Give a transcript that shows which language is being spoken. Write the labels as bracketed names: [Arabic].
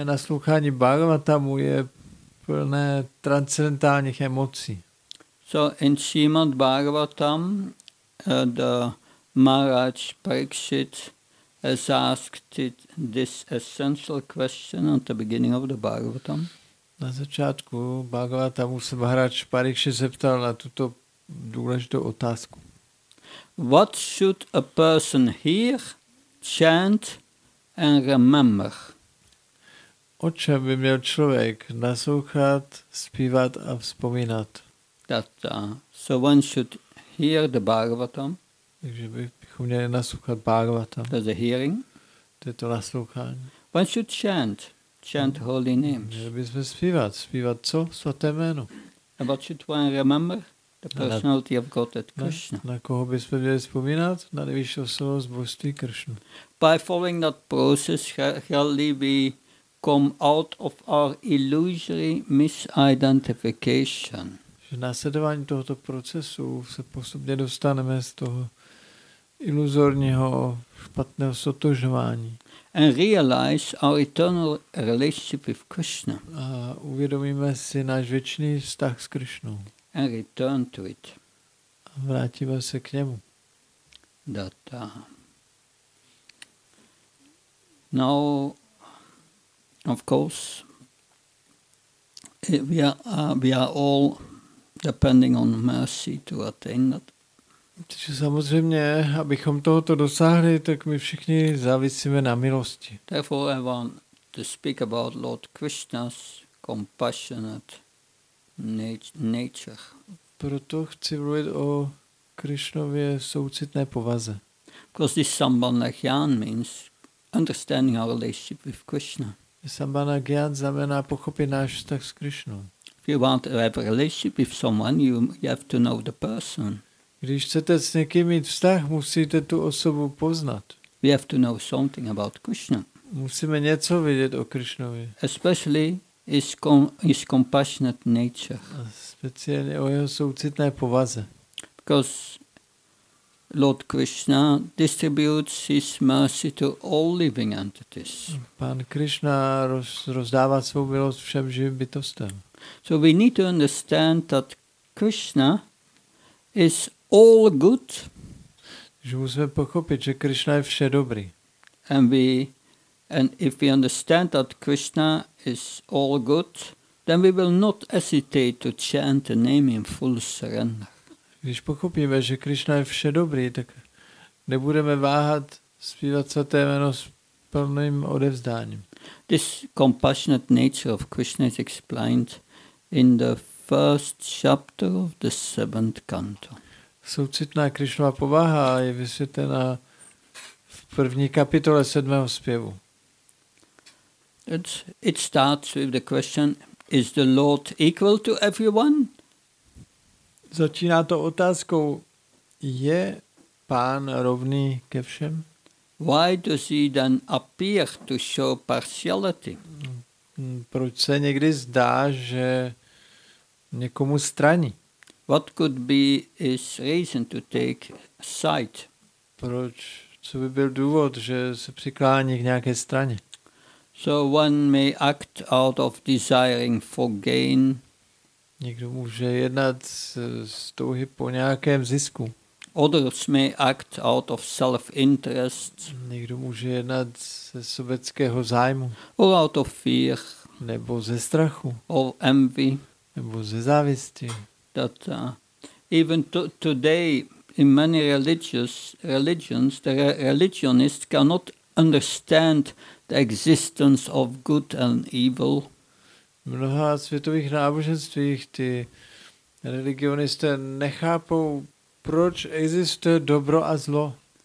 [Czech] a naslouchání Bhagavatamu je plné transcendentálních emocí. [English] So in Srimad Bhagavatam, the Maharaj Parikshit has asked it, this essential question at the beginning of the Bhagavatam. [Czech] Na začátku Bhagavatamu se Maharaj Parikshit zeptal na tuto důležitou otázku. [English] What should a person hear, chant and remember? [Czech] O čem by měl člověk naslouchat, zpívat a vzpomínat? [English] So one should hear the Bhagavatam. [Czech] Takže bychom měli naslouchat Bhagavatam. [English] To the hearing. [Czech] To je to naslouchání. [English] One should chant. Chant holy names. [Czech] Měli bychom zpívat. Zpívat co? Svaté jméno. [English] And what should one remember? The personality of Godhead Krishna. [Czech] Na koho bychom měli vzpomínat? Na nejvyšší osobu z božství Krishna. [English] By following that process, really we come out of our illusory misidentification. [Czech] Že následování tohoto procesu se postupně dostaneme z toho iluzorního špatného sotožování. [English] And realize our eternal relationship with Krishna. [Czech] A uvědomíme si náš věčný vztah s Krishnou. [English] And return to it. [Czech] A vrátíme se k němu. [English] Now, Of course, we are all depending on mercy to attain that. [Czech] Takže samozřejmě, abychom tohoto dosáhli, tak my všichni závisíme na milosti. [English] Therefore, I want to speak about Lord Krishna's compassionate nature. [Czech] Proto chci mluvit o Krišnově soucitné povaze. [English] Because this sambandhyan means understanding our relationship with Krishna. [Czech] Sambandhyan znamená pochopit náš vztah s Krišnou. [English] If you want to have a relationship with someone, you have to know the person. [Czech] Když chcete s někým mít vztah, musíte tu osobu poznat. [English] We have to know something about Krishna. [Czech] Musíme něco vědět o Krišnovi. [English] Especially his compassionate nature. [Czech] A speciálně o jeho soucitné povaze. [English] Because Lord Krishna distributes his mercy to all living entities. [Czech] Pán Krišna rozdává svou milost všem živým bytostem. [English] So we need to understand that Krishna is all good. [Czech] Že musíme pochopit, že Krišna je vše dobrý. [English] And if we understand that Krishna is all good, then we will not hesitate to chant the name in full surrender. [Czech] Když pochopíme, že Krišna je vše dobrý, tak nebudeme váhat zpívat svaté jméno s plným odevzdáním. [English] This compassionate nature of Krishna is explained in the first chapter of the seventh canto. [Czech] Soucitná Krišnova povaha je vysvětlena v první kapitole sedmého zpěvu. [English] It starts with the question, is the Lord equal to everyone? [Czech] Začíná to otázkou, je pán rovný ke všem? [English] Why does he then appear to show partiality? [Czech] Proč se někdy zdá, že někomu straní? [English] What could be his reason to take side? [Czech] Proč, co by byl důvod, že se přiklání k nějaké straně? [English] So one may act out of desiring for gain. [Czech] Někdo může jednat z touhy po nějakém zisku. [English] Others may act out of self-interest. [Czech] Někdo může jednat ze sobeckého zájmu. [English] Or out of fear. [Czech] Nebo ze strachu. [English] Or envy. [Czech] Nebo ze závisti. [English] That even today in many religions the religionist cannot understand the existence of good and evil. [Czech] Mnoha světových náboženstvích ty religionisté nechápou, proč existuje dobro a zlo.